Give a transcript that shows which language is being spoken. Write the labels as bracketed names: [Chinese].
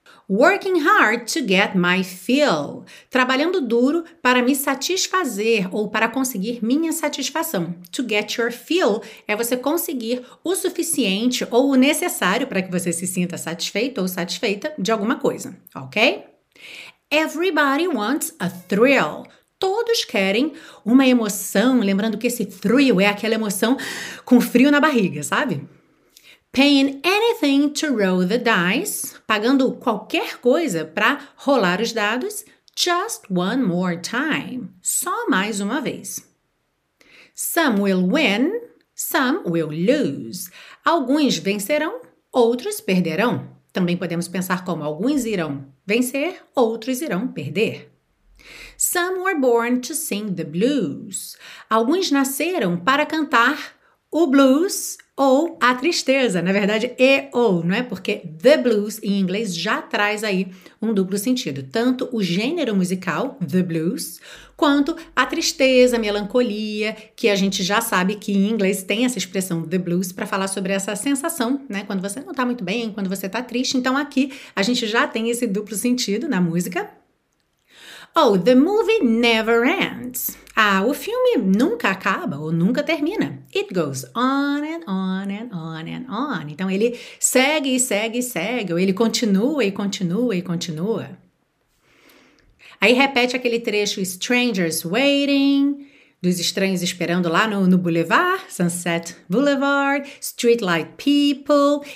[English] Working hard to get my fill. [Portuguese] Trabalhando duro para me satisfazer ou para conseguir minha satisfação. To get your fill é você conseguir o suficiente ou o necessário para que você se sinta satisfeito ou satisfeita de alguma coisa, ok? [English] Everybody wants a thrill. [Portuguese] Todos querem uma emoção, lembrando que esse thrill é aquela emoção com frio na barriga, sabe? [English] Paying anything to roll the dice, [Portuguese] pagando qualquer coisa para rolar os dados, [English] just one more time, [Portuguese] só mais uma vez. [English] Some will win, some will lose. [Portuguese] Alguns vencerão, outros perderão. Também podemos pensar como alguns irão vencer, outros irão perder. [English] Some were born to sing the blues. [Portuguese] Alguns nasceram para cantar o blues ou a tristeza. Na verdade, e ou, não é? Porque the blues em inglês já traz aí um duplo sentido. Tanto o gênero musical, the blues, quanto a tristeza, a melancolia, que a gente já sabe que em inglês tem essa expressão the blues para falar sobre essa sensação, né? Quando você não tá muito bem, quando você tá triste. Então aqui a gente já tem esse duplo sentido na música. [English] Oh, the movie never ends. [Portuguese] Ah, o filme nunca acaba ou nunca termina. [English] It goes on and on and on and on. [Portuguese] Então, ele segue e segue e segue. Ou ele continua e continua e continua. Aí repete aquele trecho Strangers Waiting, dos estranhos esperando lá no Boulevard, Sunset Boulevard, Streetlight People.